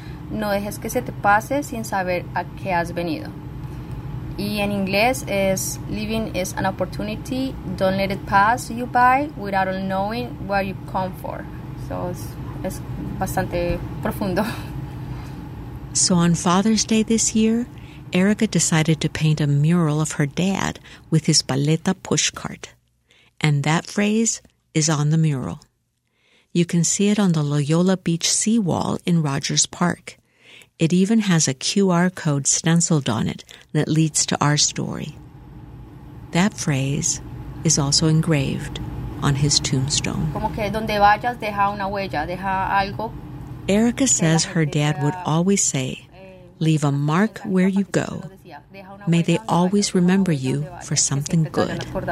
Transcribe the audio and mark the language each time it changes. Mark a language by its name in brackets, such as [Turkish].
[Spanish] No dejes que se te pase sin saber a qué has venido. Y en inglés es, [English] Living is an opportunity. Don't let it pass you by without knowing where you come for. So it's [Spanish] bastante profundo. [English] So on Father's Day this year, Erica decided to paint a mural of her dad with his paleta pushcart. And that phrase is on the mural. You can see it on the Loyola Beach seawall in Rogers Park. It even has a QR code stenciled on it that leads to our story. That phrase is also engraved on his tombstone. [Spanish] Como que donde vayas, deja una huella, deja algo. [English] Erica says her dad would always say, leave a mark where you go. May they always remember you for something good.